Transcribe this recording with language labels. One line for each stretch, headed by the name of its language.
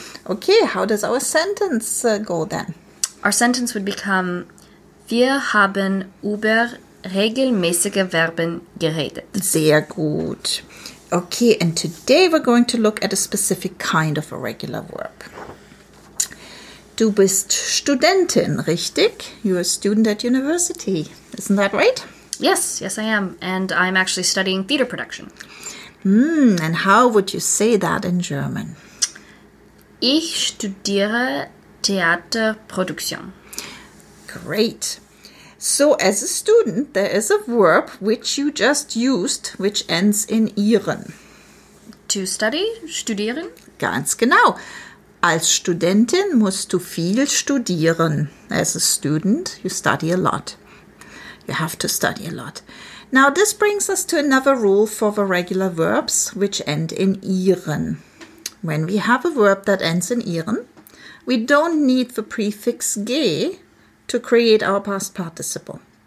English: Okay, how does our sentence go then? Our sentence would become
German: wir haben über regelmäßige Verben geredet. Sehr gut.
English: Okay, and today we're going to look at a specific kind of a regular verb.
German: Du bist Studentin, richtig?
English: You're a student at university. Isn't that right? Yes, I am. And I'm actually studying theater production. And how would you say that in German?
German: Ich studiere Theaterproduktion.
English: Great. So, as a student, there is a verb which you just used, which ends in -ieren. To study, studieren?
German: Ganz genau. Als Studentin musst du viel studieren.
English: As a student, you study a lot. You have to study a lot. Now, this brings us to another rule for the regular verbs, which end in -ieren. When we have a verb that ends in -ieren, we don't need the prefix -ge to create our past participle.